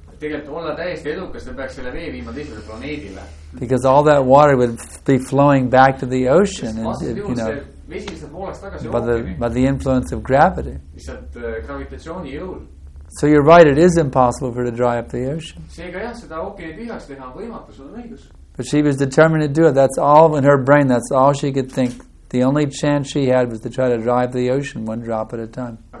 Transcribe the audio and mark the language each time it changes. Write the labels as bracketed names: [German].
[Estonian] Tegelikult olla täiesti edukas, ta peaks selle vee viima teisele planeedile. [English] Because all that water would be flowing back to the ocean. And it, you know, by the influence of gravity. [Estonian] Gravitatsiooni jõul. [English] So you're right, it is impossible for her to dry up the ocean. [Estonian] Seega jah, seda ookeani tühjaks teha on võimatu, sul on õigus. [English] But she was determined to do it. That's all in her brain, that's all she could think. The only chance she had was to try to drive the ocean one drop at a time.